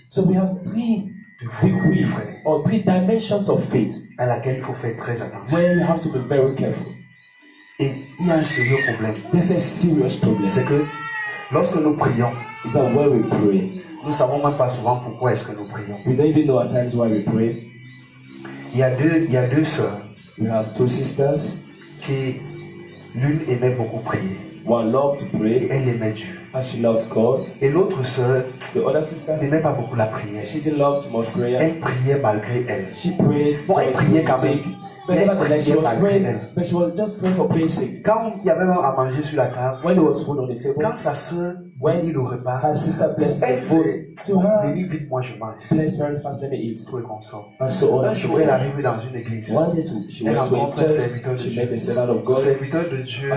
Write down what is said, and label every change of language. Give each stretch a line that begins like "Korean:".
English: So we have three degrees or three dimensions of faith
French: à laquelle il faut faire très attention.
English: Where you have to be very careful.
French: Et il y a un sérieux problème.
English: There's a serious problem.
French: C'est que lorsque nous prions,
English: is that when we pray,
French: Nous savons même pas souvent pourquoi est-ce que nous prions.
English: We don't even know at times why we pray.
French: Il y a deux sœurs.
English: We have two sisters.
French: Qui l'une aimait beaucoup prier.
English: One loved to pray.
French: Et elle aimait Dieu.
English: And she loved God.
French: Et l'autre sœur,
English: the other sister,
French: n'aimait pas beaucoup la prière.
English: She didn't love too much prayer.
French: Elle priait malgré elle.
English: She prayed.
French: Bon, elle priait quand même.
English: But she was just praying for praying sake.
French: Quand il y avait même à manger sur la table,
English: when there was food on the table,
French: quand sa soeur,
English: when
French: il le repas,
English: her sister blessed the food to her.
French: Béni vite, moi je mange.
English: Bless very fast, let me eat.
French: Tout est comme ça.
English: And so on.
French: Un jour, elle arrive dans une église.
English: One day, she went to a church.
French: Elle rencontre un serviteur de Dieu. Le serviteur de Dieu,